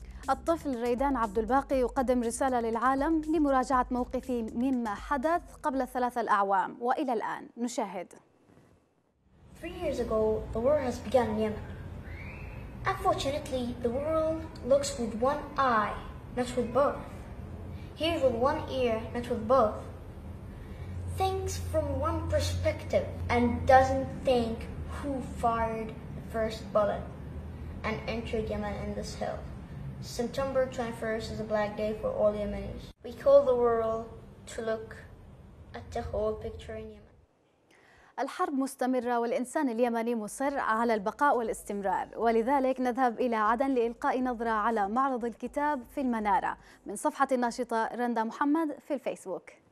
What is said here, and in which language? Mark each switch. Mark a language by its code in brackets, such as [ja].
[ar] الطفل ريدان عبد الباقي يقدم رسالة للعالم لمراجعة موقفه مما حدث قبل 3 أعوام وإلى الآن. نشاهد. [en] 3 years ago, the war has begun in Yemen. Unfortunately, the world looks with one eye, not with both. Hears with one ear, not with both. Thinks from one perspective and doesn't think who fired the first bullet and entered Yemen in this hill. September 21st is a black day for all Yemenis. We call the world to look at the whole picture in Yemen. [ar] الحرب مستمرة والإنسان اليمني مصر على البقاء والاستمرار، ولذلك نذهب إلى عدن لإلقاء نظرة على معرض الكتاب في المنارة من صفحة الناشطة رندا محمد في الفيسبوك.